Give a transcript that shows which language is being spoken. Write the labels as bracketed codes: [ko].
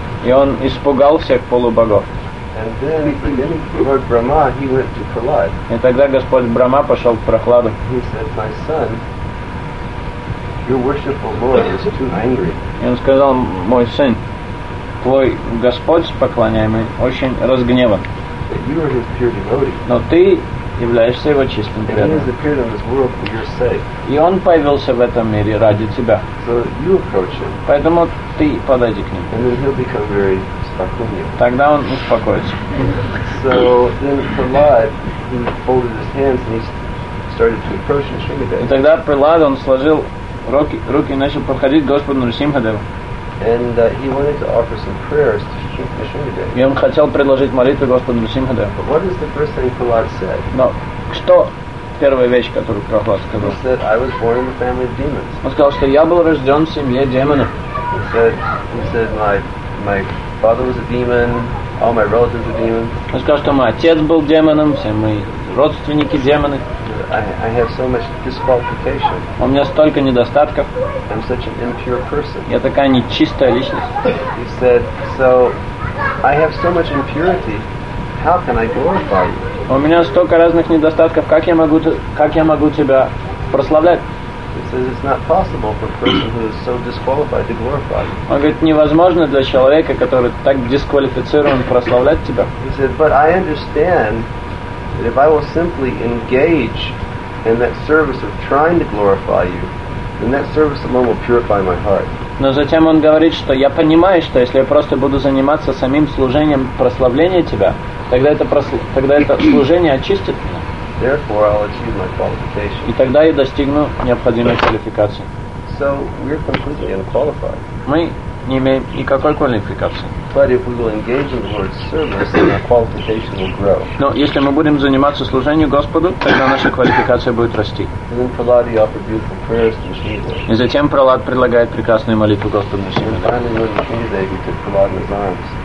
[ru] И он испугал всех полубогов. [en] And then Lord Brahma, he went to Prahlad. [ru] И тогда Господь Брама пошел к Прохладу. [en] He said, "My son, your worshipful Lord is too angry." [ru] И он сказал, мой сын, твой Господь поклоняемый очень разгневан. [en] But you are his pure devotee. [ru] Но ты являешься его чистым преданным. [en] And he has appeared in this world for your sake. [ru] И он появился в этом мире ради тебя. [en] So you approach him. [ru] Поэтому ты подойди к нему. [en] And then he'll become very. [ru] Тогда он успокоится. [en] So then Prahlad, he folded his hands and he started to approach Nrsimhadeva. [ru] И тогда Прилад он сложил руки и начал подходить к Господу Нрсимхадеву. [en] And he wanted to offer some prayers to Nrsimhadeva. [ru] И он хотел предложить молитву Господу Нрсимхадеву. [en] But what is the first thing Prahlad said? [ru] Но что первая вещь, которую Прохлад сказал? [en] He said, "I was born in the family of demons." [ru] Он сказал, что я был рожден в семье демонов. [en] He said, my father was a demon. All my relatives were demons. [ru] Он сказал, что мой отец был демоном, все мои родственники демоны. [en] I have so much disqualification. [ru] У меня столько недостатков. [en] I'm such an impure person. [ru] Я такая нечистая личность. [en] He said, so I have so much impurity. How can I glorify you? [ru] У меня столько разных недостатков. Как я могу тебя прославлять? [en] It's not possible for a person who is so disqualified to glorify you. [ru] Он говорит, невозможно для человека, который так дисквалифицирован, прославлять тебя. [en] He said, but I understand that if I will simply engage in that service of trying to glorify you, then that service alone will purify my heart. [ru] Но затем он говорит, что я понимаю, что если я просто буду заниматься самим служением прославления Тебя, тогда это, тогда это служение очистит меня. [en] Therefore, I'll achieve my qualification. [ru] И тогда я достигну необходимой квалификации. [en] So, we're completely unqualified. [ru] Мы не имеем никакой квалификации. [en] But if we will engage in the Lord's service, then our qualification will grow. [ru] Но если мы будем заниматься служением Господу, тогда наша квалификация будет расти. [en] And then Prahlada offered beautiful prayers to Shiva. [ru] И затем Prahlada предлагает прекрасную молитву Господу на Шиве. [en] And finally, Lord Shivadev took Prahlada's arms.